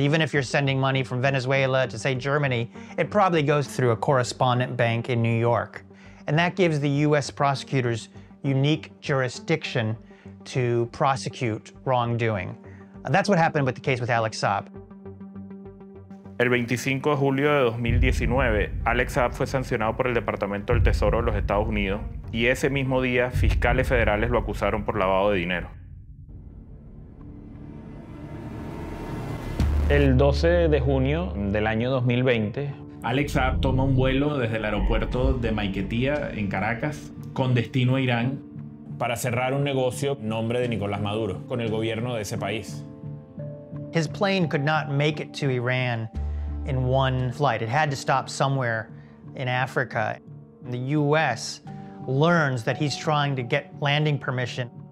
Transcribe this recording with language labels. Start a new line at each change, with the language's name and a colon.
English: Even if you're sending money from Venezuela to, say, Germany, it probably goes through a correspondent bank in New York. And that gives the U.S. prosecutors unique jurisdiction to prosecute wrongdoing. That's what happened with the case with Alex Saab.
Spanish: El 25 de julio de 2019, Alex Saab fue sancionado por el Departamento del Tesoro de los Estados Unidos y ese mismo día, fiscales federales lo acusaron por lavado de dinero. El 12 de junio del año 2020, Alex Saab toma un vuelo desde el aeropuerto de Maiquetía, en Caracas, con destino a Irán, para cerrar un negocio en nombre de Nicolás Maduro, con el gobierno de ese país.
English: His plane could not make it to Iran in one flight. It had to stop somewhere in Africa. The U.S. learns that he's trying to get landing permission.